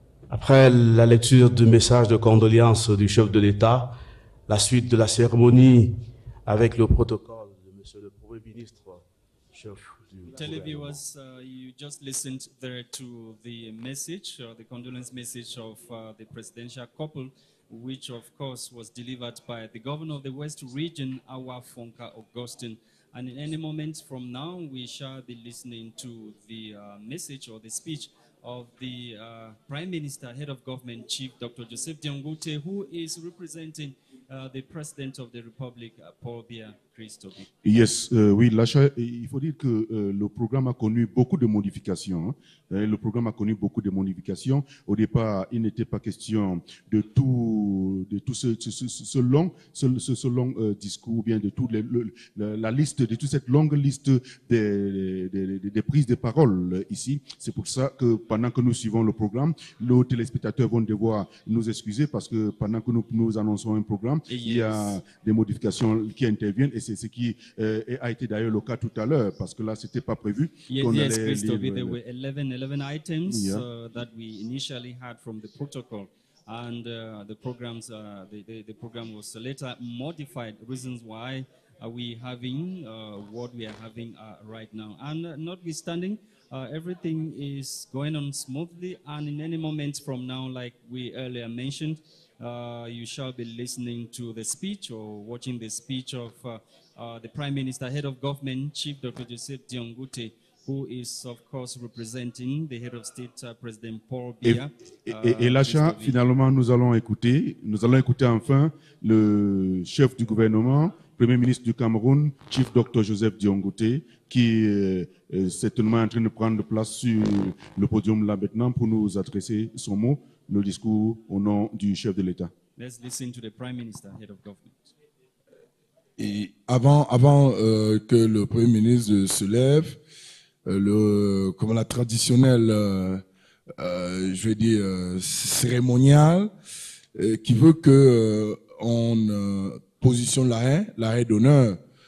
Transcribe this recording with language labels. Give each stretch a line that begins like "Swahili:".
French: Après la lecture du message de condoléances du chef de l'État, la suite de la cérémonie avec le protocole de M. le Premier ministre, chef du
English: Televiewers, you just listened there to the message, the condolence message of the presidential couple, which of course was delivered by the governor of the West Region, Awa Fonka Augustin. And in any moment from now, we shall be listening to the message or the speech of the Prime Minister, Head of Government, Chief Dr. Joseph Diongouté, who is representing the President of the Republic, Paul Biya Christobi.
French: Yes, oui, Lacha, il faut dire que le programme a connu beaucoup de modifications. Le programme a connu beaucoup de modifications. Au départ, il n'était pas question de tout ce long discours, ou bien de tout la liste, de toute cette longue liste des prises de parole ici. C'est pour ça que pendant que nous suivons le programme, nos téléspectateurs vont devoir nous excuser parce que pendant que nous annonçons un programme, il y a des modifications qui interviennent et c'est ce qui a été d'ailleurs le cas tout à l'heure parce que là, c'était pas prévu.
English: Yes, Christophe, there were 11 items that we initially had from the protocol, and the program was later modified. Reasons why are we having what we are having right now, and notwithstanding, everything is going on smoothly. And in any moment from now, like we earlier mentioned, you shall be listening to the speech or watching the speech of the Prime Minister, Head of Government, Chief Dr. Joseph Diongouté, who is, of course, representing the head of state, President Paul Biya.
French: Et Lacha, finalement, nous allons écouter enfin le chef du gouvernement, Premier ministre du Cameroun, Chief Dr. Joseph Diongouté, qui est certainement en train de prendre place sur le podium là maintenant pour nous adresser son mot, le discours au nom du chef de l'État.
English: Let's listen to the Prime Minister, Head of Government.
French: Et avant que le Premier ministre se lève, comme la traditionnelle, cérémoniale, qui veut que on positionne l'arrêt d'honneur